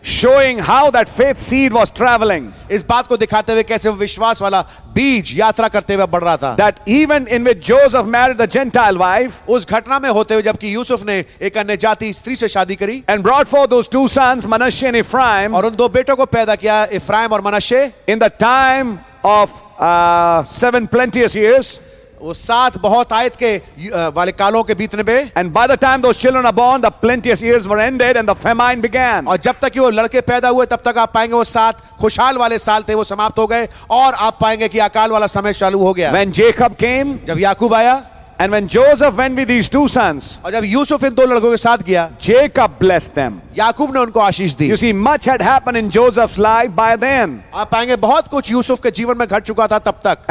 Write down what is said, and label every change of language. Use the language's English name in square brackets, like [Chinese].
[English] Showing how that faith seed was traveling. [Hindi] इस बात को दिखाते हुए कैसे वो विश्वास वाला बीज यात्रा करते हुए बढ़ रहा था. [English] That even in which Joseph married the Gentile wife, [Hindi] उस घटना में होते हुए जबकि यूसुफ ने एक अन्य जाति स्त्री से शादी करी, [English] and brought forth those two sons, Manasseh and Ephraim, [Hindi] और उन दो बेटों को पैदा किया, इफ्राइम और मनशे, [English] in the time of seven plenteous years, [Hindi] वो सात बहुत आयत के वाले कालों के बीतने पे, [English] and by the time those children are born, the plenteous years were ended and the famine began. [Hindi] और जब तक वो लड़के पैदा हुए, तब तक आप पाएंगे वो सात खुशहाल वाले साल थे, वो समाप्त हो गए, और आप पाएंगे कि अकाल वाला समय चालू हो गया. [English] When Jacob came, [Hindi] जब याकूब आया, [English] and when Joseph went with these two sons, [Hindi] और जब यूसुफ इन दो लड़कों के साथ गया, [English] Jacob blessed them. [Hindi] याकूब ने उनको आशीष दी. [English] You see, much had happened in Joseph's life by then. [Hindi] आप पाएंगे बहुत कुछ यूसुफ के जीवन में घट चुका था तब तक.